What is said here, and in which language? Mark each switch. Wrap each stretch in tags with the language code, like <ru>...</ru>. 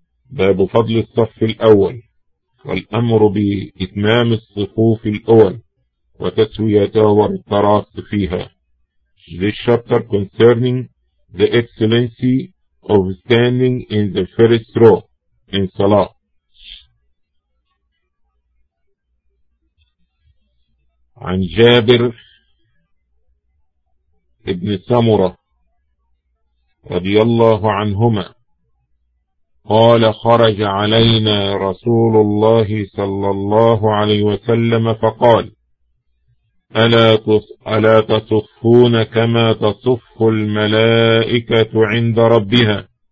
<ar>باب فضل الصف الأول والأمر بإتمام الصفوف الأول وتسويتها والتراص فيها.</ar> <en>This chapter concerning the excellency of standing in the first row in Salah.</en> <ar>عن جابر ابن سمرة رضي الله عنهما قال خرج علينا رسول الله صلى الله عليه وسلم فقال ألا تصفون كما تصف الملائكة عند ربها</ar>